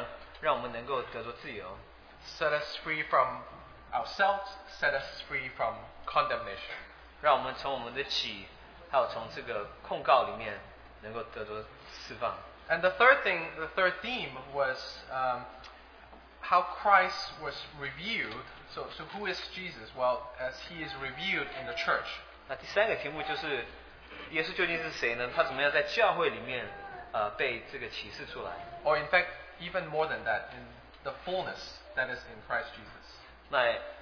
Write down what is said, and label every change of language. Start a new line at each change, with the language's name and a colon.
Chinese: 那我们的弟兄今天早上也分享到说，这怎么样让我们能够得着自由？
English: Set us free from ourselves. Set us free from condemnation.
Chinese: 让我们从我们的起，还有从这个控告里面能够得着释放。
English: And the third thing, the third theme was how Christ was revealed. So who is Jesus? Well, as he is revealed in the church.
Chinese: 那第三个题目就是。耶稣究竟是谁呢？他怎么样在教会里面，被这个启示出来？
English: Or in fact, even more than that, in the fullness that is in Christ Jesus.